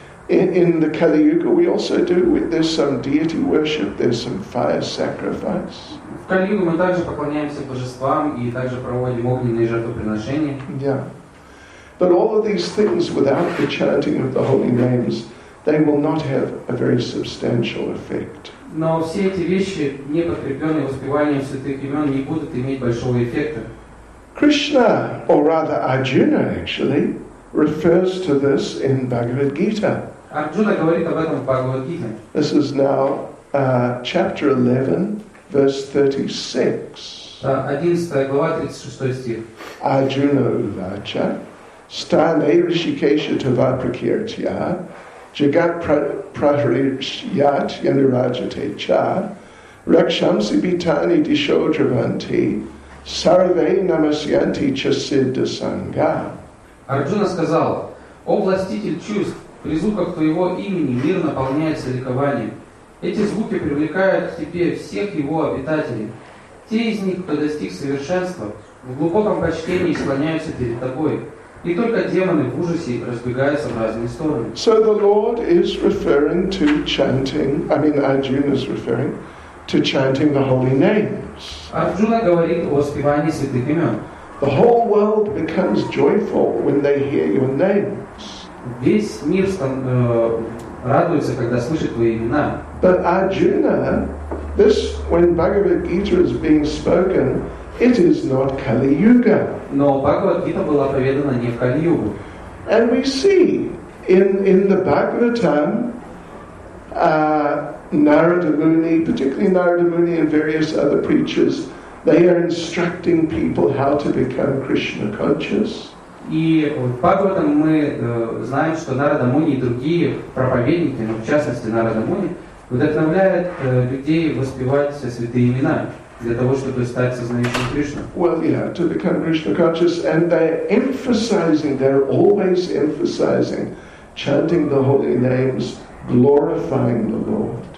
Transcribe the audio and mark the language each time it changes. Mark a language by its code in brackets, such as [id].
[en] In the Kali Yuga we also do with there's some deity worship, there's some fire sacrifice. [ru] В Кали Югу мы также поклоняемся божествам и также проводим огненные жертвоприношения. [en] Yeah. But all of these things without the chanting of the holy names, they will not have a very substantial effect. [ru] Но все эти вещи, не подкрепленные воспеванием святых имен, не будут иметь большого эффекта. [en] Krishna, or rather Arjuna actually, refers to this in Bhagavad Gita. [ru] Арджуна говорит об этом в Бхагавад-гите. [en] This is now chapter 11, verse 36. [sa] Arjuna Uvacha Stane Rishikesha Tava Prakirtya Jagat Prahrishyat Yanirajate Cha Rakshamsi Bhitani Disho Javanti Sarve Namasyanti Chasidda Sangha. [ru] Arjuna сказал: О властитель чувств, при звуках твоего имени мир наполняется ликованием. Эти звуки привлекают к тебе всех его обитателей. Те из них, кто достиг совершенства, в глубоком почтении склоняются перед тобой, и только демоны в ужасе разбегаются в разные стороны. [en] So the Lord is referring to chanting, Arjuna is referring to chanting the holy names. [ru] Арджуна говорит о воспевании святых имен. [en] The whole world becomes joyful when they hear your names. [ru] Весь мир радуется, когда слышит твои имена. [en] But Arjuna, this, when Bhagavad Gita is being spoken, it is not Kali Yuga. [ru] Но Бхагавад Гита была проведена не в Кали Югу. [en] And we see in the Bhagavatam, Narada Muni, particularly Narada Muni and various other preachers, they are instructing people how to become Krishna conscious. [ru] И в Бхагаватам мы знаем, что Нарада Муни и другие проповедники, в частности Нарада Муни, вдохновляют людей воспевать святые имена для того, чтобы стать сознающим Кришну. [en] Well, yeah, to become Krishna conscious, and they're always emphasizing, chanting the holy names, glorifying the Lord.